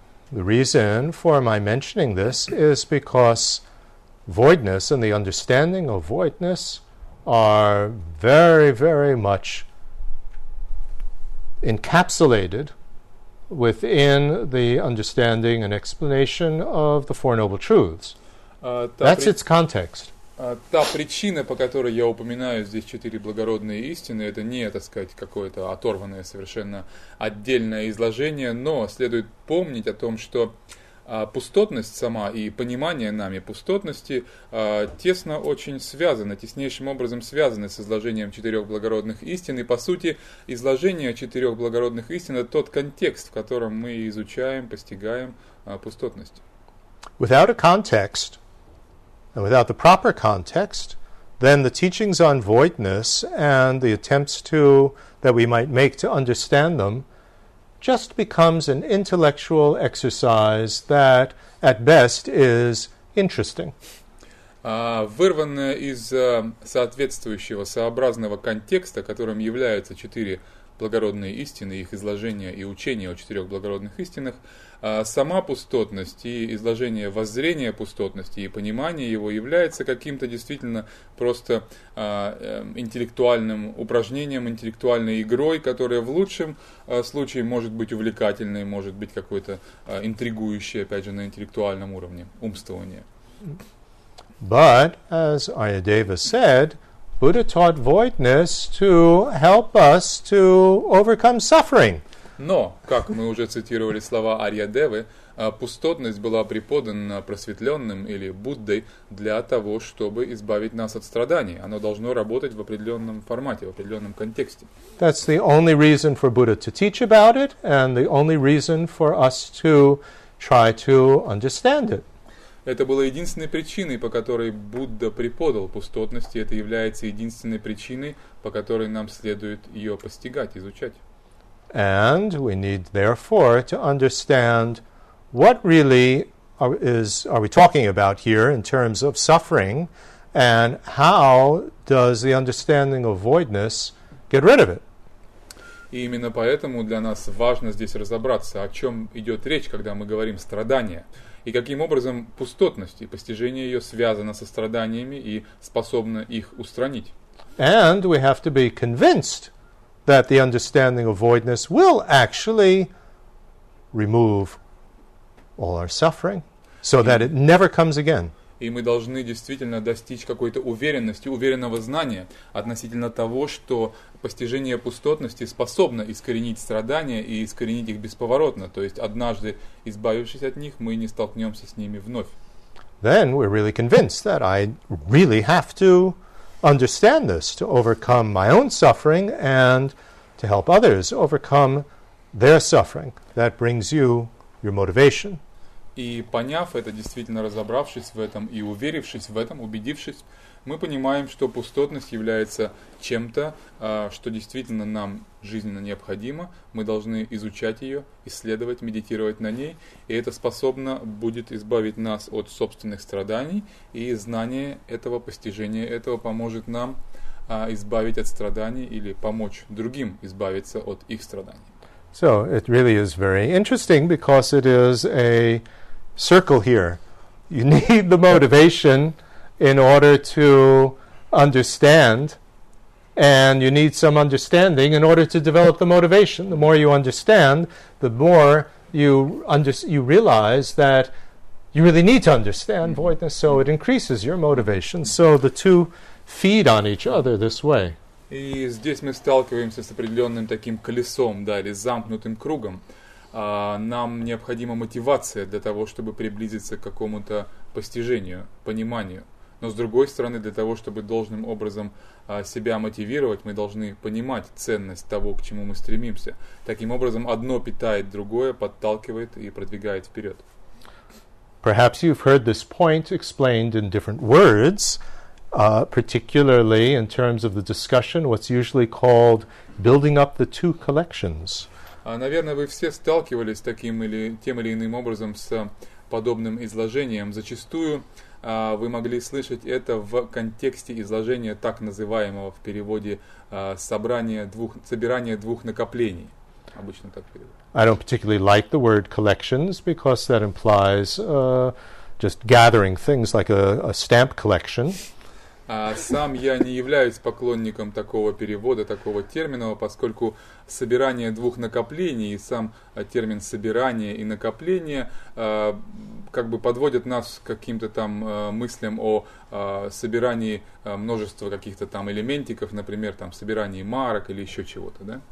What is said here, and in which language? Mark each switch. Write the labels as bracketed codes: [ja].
[en] The reason for my mentioning this is because voidness and the understanding of voidness are very, very much encapsulated within the understanding and explanation of the Four Noble Truths. That's its context. [ru] Та причина, по которой я упоминаю здесь четыре благородные истины, это не, так сказать, какое-то оторванное совершенно отдельное изложение, но следует помнить о том, что пустотность сама и понимание нами пустотности тесно очень связаны, теснейшим образом связаны с изложением четырех благородных истин. И, по сути, изложение четырех благородных истин – это тот контекст, в котором мы изучаем, постигаем пустотность. [en] Without a context, and without the proper context, then the teachings on voidness and the attempts to, that we might make to understand them just becomes an intellectual exercise that, at best, is interesting. [ru] Вырванная из соответствующего сообразного контекста, которым являются четыре благородные истины, их изложение и учение о четырех благородных истинах, сама пустотность и изложение воззрения пустотности и понимание его является каким-то действительно просто интеллектуальным упражнением, интеллектуальной игрой, которая в лучшем случае может быть увлекательной, может быть какой-то интригующей, опять же, на интеллектуальном уровне умствования. [en] But, as Ayadeva said, Buddha taught voidness to help us to overcome suffering. [ru] Но, как мы уже цитировали слова Арьядевы, пустотность была преподана просветленным или Буддой для того, чтобы избавить нас от страданий. Оно должно работать в определенном формате, в определенном контексте. [en] That's the only reason for Buddha to teach about it, and the only reason for us to try to understand it. [ru] Это было единственной причиной, по которой Будда преподал пустотность, и это является единственной причиной, по которой нам следует ее постигать, изучать. [en] And we need, therefore, to understand what really are we talking about here in terms of suffering, and how does the understanding of voidness get rid of it? [ru] И именно поэтому для нас важно здесь разобраться, о чем идет речь, когда мы говорим «страдания». И каким образом пустотность и постижение ее связано со страданиями и способно их устранить. [en] And we have to be convinced that the understanding of voidness will actually remove all our suffering, so that it never comes again. [ru] И мы должны действительно достичь какой-то уверенности, уверенного знания относительно того, что постижение пустотности способно искоренить страдания и искоренить их бесповоротно. То есть, однажды избавившись от них, мы не столкнемся с ними вновь. [en] Then we're really convinced that I really have to understand this to overcome my own suffering and to help others overcome their suffering. That brings you your motivation. [ru] И поняв это, действительно разобравшись в этом и уверившись в этом, убедившись, мы понимаем, что пустотность является чем-то, что действительно нам жизненно необходимо. Мы должны изучать ее, исследовать, медитировать на ней, и это способно будет избавить нас от собственных страданий, и знание этого, постижение этого поможет нам избавить от страданий или помочь другим избавиться от их страданий. [en] So, it really is very interesting because it is a circle here. You need the motivation in order to understand, and you need some understanding in order to develop the motivation. The more you understand, the more you realize that you really need to understand voidness, so it increases your motivation. So, the two feed on each other this way. [ru] И здесь мы сталкиваемся с определенным таким колесом, да, или замкнутым кругом. Нам необходима мотивация для того, чтобы приблизиться к какому-то постижению, пониманию. Но с другой стороны, для того, чтобы должным образом себя мотивировать, мы должны понимать ценность того, к чему мы стремимся. Таким образом, одно питает другое, подталкивает и продвигает вперед. [en] Perhaps you've heard this point explained in different words. Particularly in terms of the discussion, what's usually called building up the two collections. [ru] Наверное, вы все сталкивались с таким или тем или иным образом с подобным изложением. Зачастую вы могли слышать это в контексте изложения так называемого в переводе собирания двух накоплений. Обычно так переводится. [en] I don't particularly like the word collections because that implies just gathering things like a stamp collection. [ru] Сам я не являюсь поклонником такого перевода, такого термина, поскольку собирание двух накоплений и сам термин собирание и накопление как бы подводят нас к каким-то там мыслям о собирании множества каких-то там элементиков, например, там собирании марок или еще чего-то, да?